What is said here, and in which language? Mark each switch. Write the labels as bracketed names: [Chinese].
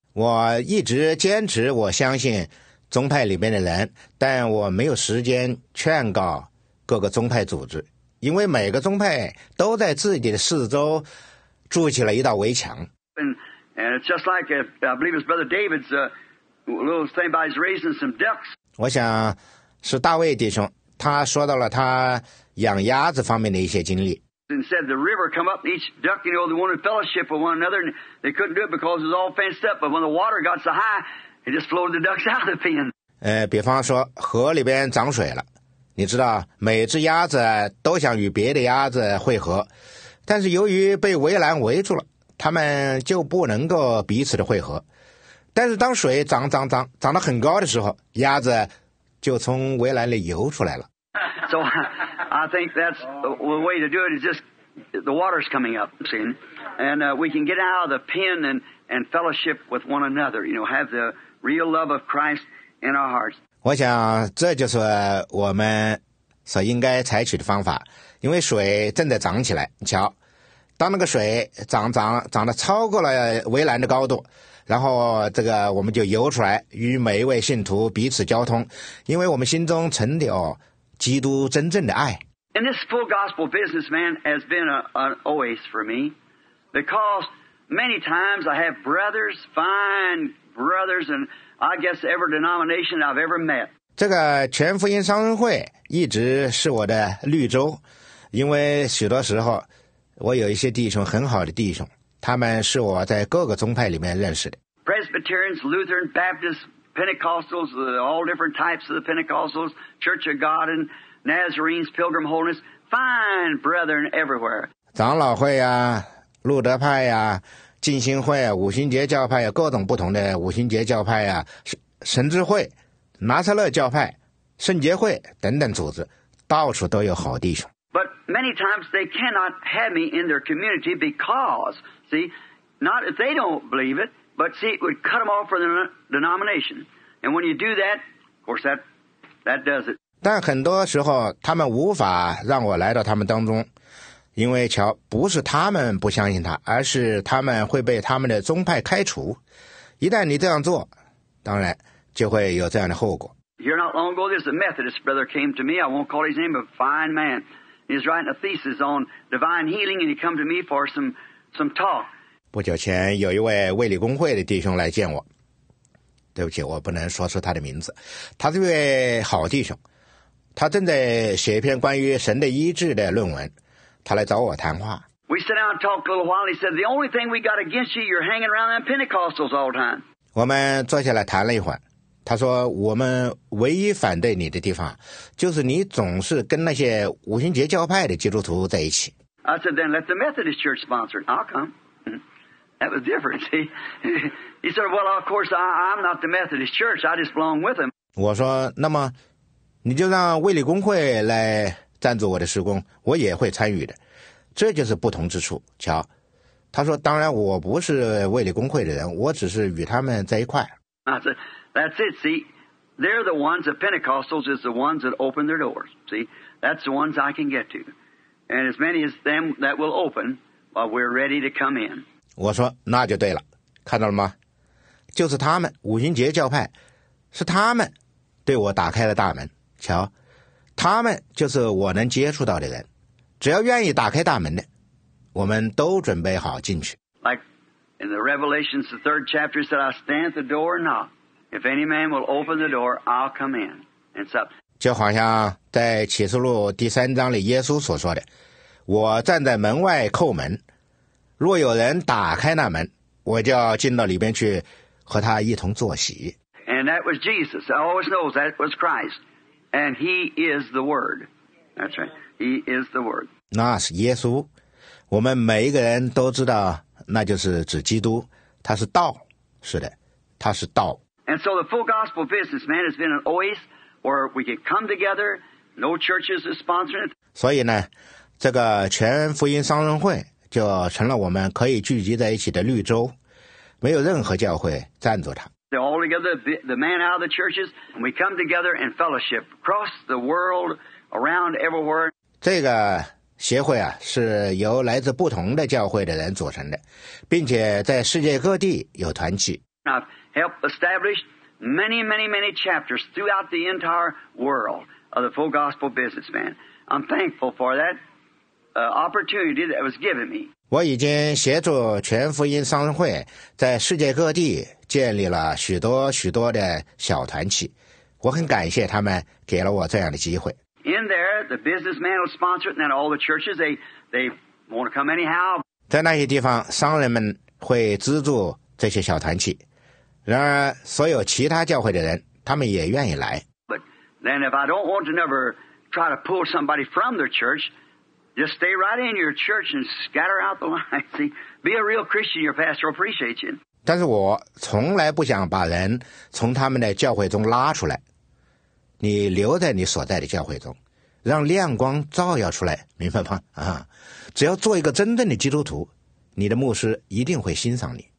[Chinese] 我一直坚持我相信宗派里面的人，但我没有时间劝告各个宗派组织，因为每个宗派都在自己的四周筑起了一道围墙。 [English] And it's just like, I believe it's Brother David's little thing by his raising some ducks. [Chinese] 我想是大卫弟兄，他说到了他养鸭子方面的一些经历。 [English] And said the river come up, each duck, you know, they wanted fellowship with one another, and they couldn't do it because it was all fenced up. But when the water got so high, it just flowed the ducks out of the pen. [Chinese] 比方说河里边涨水了，你知道每只鸭子都想与别的鸭子汇合，但是由于被围栏围住了。他们就不能够彼此的汇合，但是当水涨得很高的时候，鸭子就从围栏里游出来了。 [English] So I think that's the way to do it is just the water's coming up, see, and we can get out of the pen and fellowship with one another. You know, have the real love of Christ in our hearts. [Chinese] 我想这就是我们所应该采取的方法，因为水正在涨起来，你瞧。当那个水涨得超过了围栏的高度，然后这个我们就游出来，与每一位信徒彼此交通，因为我们心中存有基督真正的爱。 [English] And this full gospel business man has been an oasis for me, because many times I have brothers, fine brothers, and I guess every denomination I've ever met. [Chinese] 这个全福音商人会一直是我的绿洲，因为许多时候。我有一些弟兄，很好的弟兄，他们是我在各个宗派里面认识的。 [English] Presbyterians, Lutheran, Baptists, Pentecostals, all different types of the Pentecostals, Church of God and Nazarenes, Pilgrim Holiness, fine brethren everywhere. [Chinese] 长老会啊，路德派啊，浸信会啊，五旬节教派啊，各种不同的五旬节教派啊，神之会、拿撒勒教派、圣洁会等等组织，到处都有好弟兄。 [English] But many times they cannot have me in their community because, see, not if they don't believe it, But see, it would cut them off from the denomination. And when you do that, of course, that does it. [Chinese] 但很多时候，他们无法让我来到他们当中，因为瞧，不是他们不相信他，而是他们会被他们的宗派开除。一旦你这样做，当然就会有这样的后果。 [English] Here not long ago, this Methodist brother came to me. I won't call his name, a fine man. He's writing a thesis on divine healing, and he come to me for some talk. [Chinese] 不久前，有一位卫理公会的弟兄来见我。对不起，我不能说出他的名字。他是一位好弟兄，他正在写一篇关于神的医治的论文。他来找我谈话。 [English] We sat down and talked a little while. He said, "The only thing we got against you, you're hanging around them Pentecostals all the time." [Chinese] 我们坐下来谈了一会儿。他说我们唯一反对你的地方就是你总是跟那些五旬节教派的基督徒在一起。 [English] I said, then let the Methodist Church sponsor it. I'll come. That was different, see? He said, well, of course, I'm not the Methodist Church. I just belong with them. [Chinese] 我说那么你就让卫理公会来赞助我的施工，我也会参与的。这就是不同之处，瞧。他说当然我不是卫理公会的人，我只是与他们在一块。 [English] I said,That's it, see, they're the ones, the Pentecostals is the ones that open their doors, see, that's the ones I can get to, and as many as them that will open, well, we're ready to come in. [Chinese] 我说那就对了，看到了吗？就是他们，五旬节教派，是他们对我打开了大门，瞧，他们就是我能接触到的人，只要愿意打开大门的，我们都准备好进去。 [English] Like in the Revelations, the third chapter said, I stand at the door and knock. If any man will open the door, I'll come in. And so, [Chinese] 就好像在启示录第三章里耶稣所说的，我站在门外叩门，若有人打开那门，我就要进到里边去和他一同坐席。 [English] And that was Jesus. I always know that was Christ. And he is the Word. That's right. He is the Word. [Chinese] 那是耶稣。我们每一个人都知道，那就是指基督。他是道。是的，他是道。 [English] And so the full gospel business, man, has been an oasis where we could come together, no churches are sponsoring it. [Chinese] 所以呢，这个全福音商人会就成了我们可以聚集在一起的绿洲，没有任何教会赞助它。 [English] They're all together, the man out of the churches, and we come together and fellowship across the world, around everywhere. [Chinese] 这个协会啊，是由来自不同的教会的人组成的，并且在世界各地有团契。 [English] Help establish many, many, many chapters throughout the entire world of the full gospel business, man. I'm thankful for that opportunity that was given me. [Chinese] 我已经协助全福音商人会在世界各地建立了许多许多的小团体。我很感谢他们给了我这样的机会。 [English] In there, the businessman will sponsor it, and all the churches, they want to come anyhow. [Chinese] 在那些地方，商人们会资助这些小团体。然而，所有其他教会的人，他们也愿意来。 [English] But then, if I don't want to never try to pull somebody from their church, just stay right in your church and scatter out the light. See, be a real Christian. Your pastor will appreciate you. [Chinese] 但是我从来不想把人从他们的教会中拉出来。你留在你所在的教会中，让亮光照耀出来，明白吗？啊，只要做一个真正的基督徒，你的牧师一定会欣赏你。